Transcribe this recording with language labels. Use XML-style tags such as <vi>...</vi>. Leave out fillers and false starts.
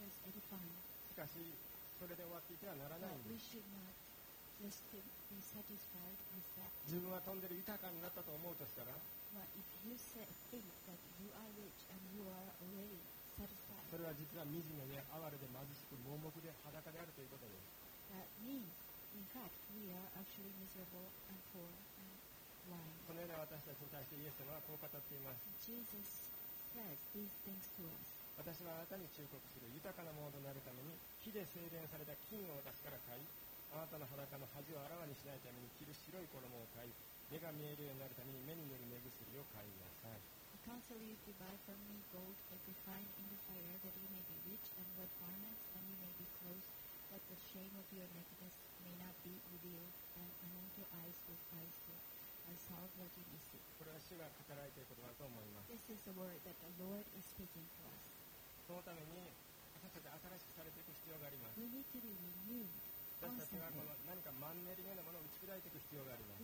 <ja>しかしそれで終わっていてはならないんです。自分は飛んでる豊かになったと思うとしたら、それは実は惨めで哀れで貧しく盲目で裸であるということです。</ja> <en>That means, in fact, we are actually miserable and poor and blind.</en> <ja>このような私たちに対してイエス様はこう語っています。</ja> <en>Jesus says these things to us.</en> <ja>私はあなたに忠告する、豊かなものとなるために火で精錬された金を私から買い、あなたの裸の恥をあらわにしないために着る白い衣を買い、目が見えるようになるために目に塗る目薬を買いなさい。</ja> <en>I counsel you to buy from me gold that you find in the fire, that you may be rich, and what garments, and you may be clothed nakedness may not be revealed, and anoint your eyes with eyes that are solid what you may see.</en> <ja>これは主が語られていることだと思います。</ja> <en>This is the word that the Lord is speaking to us.</en> <ja>そのために私たち新しくされていく必要があります。</ja> <en>We need to be renewed.</en> <ja>私たちはこの何かマンネリのようなものを打ち砕いていく必要があります。</ja>